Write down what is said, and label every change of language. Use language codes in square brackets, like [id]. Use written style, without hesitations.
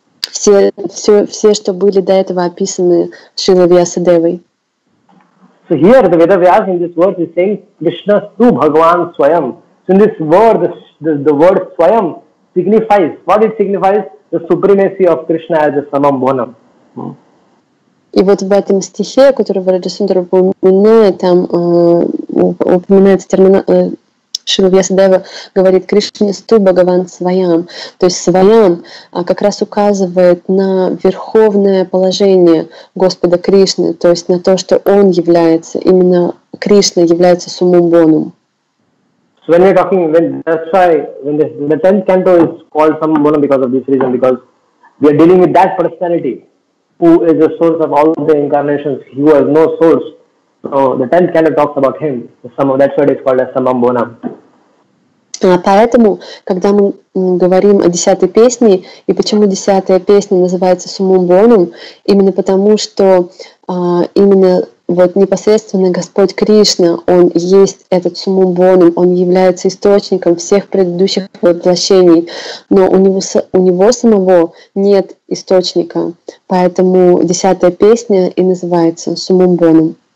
[ru] Все, что были до этого описаны Шрила Вьясадевой. [en] So here the Vedavyas in this word is saying [sa] Krishna Stu Bhagavan Swayam. [en] So in this word, the word Swayam signifies, what it signifies? The supremacy of Krishna as a Summum Bonum. [ru] И вот в этом стихе, который Брадисундар упоминает, там упоминается термин Шрила Вьясадева говорит Кришна Сту Бхагаван Свайам. То есть Свайам как раз указывает на верховное положение Господа Кришны, то есть на то, что Он является, именно Кришна является Summum Bonum. [en] So when you're talking, the 10th canto is called Summum Bonum because of this reason, because we are dealing with that personality who is the source of all the incarnations, he has no source. So the 10th canto talks about him. That's why it's called as Summum Bonum. [ru] Поэтому, когда мы говорим о 10-й песне, и почему 10-я песня называется Summum Bonum, именно потому, что именно вот непосредственно Господь Кришна, Он есть этот Summum Bonum, Он является источником всех предыдущих воплощений, но у него самого нет источника, поэтому десятая песня и называется Summum Bonum.